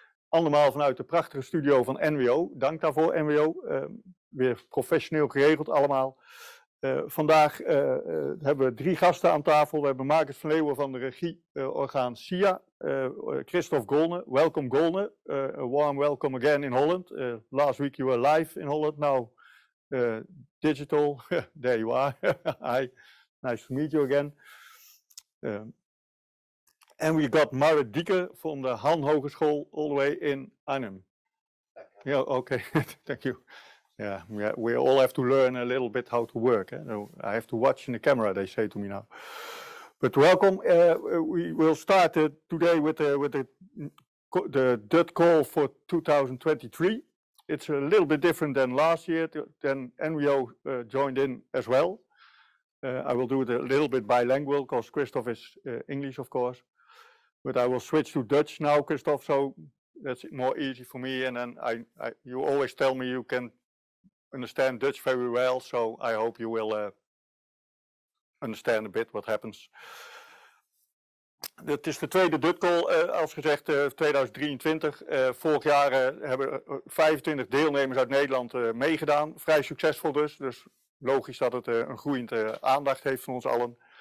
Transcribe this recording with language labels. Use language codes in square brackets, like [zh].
[nl] Allemaal vanuit de prachtige studio van NWO. Dank daarvoor, NWO. Weer professioneel geregeld allemaal. Vandaag hebben we drie gasten aan tafel. We hebben Marcus van Leeuwen van de regieorgaan SIA. [en] Christophe Golne, welkom Golne. A warm welcome again in Holland. Last week you were live in Holland, now digital. There you are. Hi, nice to meet you again. And we got Marit Dieke van de Han Hogeschool all the way in Arnhem. Yeah, okay, thank you. Yeah, we all have to learn a little bit how to work. Eh? I have to watch in the camera, they say to me now. But welcome. We will start today with the DUT call for 2023. It's a little bit different than last year, then NWO joined in as well. I will do it a little bit bilingual, because Christophe is English, of course. But I will switch to Dutch now, Christophe, so that's more easy for me. And then I you always tell me you can understand Dutch very well, so I hope you will understand a bit what happens. [nl] Het is de tweede DUT call, als gezegd, 2023. Vorig jaar hebben 25 deelnemers uit Nederland meegedaan. Vrij succesvol dus. Dus logisch dat het een groeiende aandacht heeft van ons allen.